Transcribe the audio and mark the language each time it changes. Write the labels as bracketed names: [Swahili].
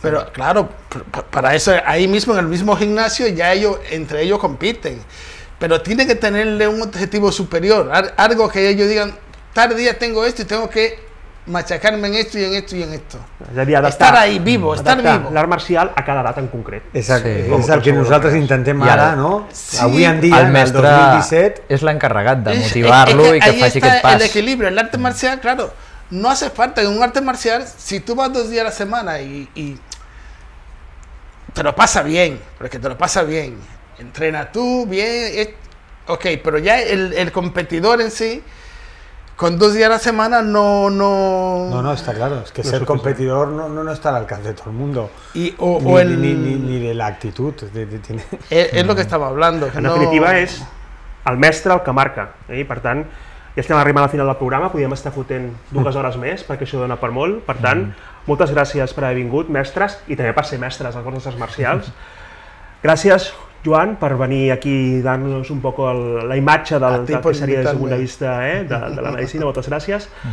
[Spanish] Pero claro, para eso, ahí mismo, en el mismo gimnasio, ya ellos, entre ellos compiten. Pero tiene que tenerle un objetivo superior, algo que ellos digan, tal día tengo esto y tengo que machacarme en esto y en esto y en esto. [Catalan] Es a dir, [Spanish] estar ahí vivo, estar vivo. [Catalan] L'art marcial a cada data en concret. Exacte, sí, és el que nosaltres intentem ara, no? Sí. Avui en dia, el 2017... és l'encarregat de motivar-lo i que faci aquest pas. [Spanish] Ahí está el equilibrio. El arte marcial, claro, no hace falta. En un arte marcial, si tú vas dos días a la semana y te lo pasa bien, porque te lo pasa bien. Entrena tú bien, ok, pero ya el competidor en sí, con 2 días a la semana no está claro, es que no ser competidor no está al alcance de todo el mundo. Y ni de la actitud. Es lo que estaba hablando. [Catalan] En definitiva és el mestre el que marca, i per tant ja estem arribant al final del programa, podríem estar fotent 2 hores més perquè això dona per molt. Per tant, moltes gràcies per haver vingut, mestres, i també per ser mestres als vostres marcials. Gràcies, Joan, per venir aquí i donar-nos un poc la imatge del que seria des del punt de vista de la medicina. Moltes gràcies.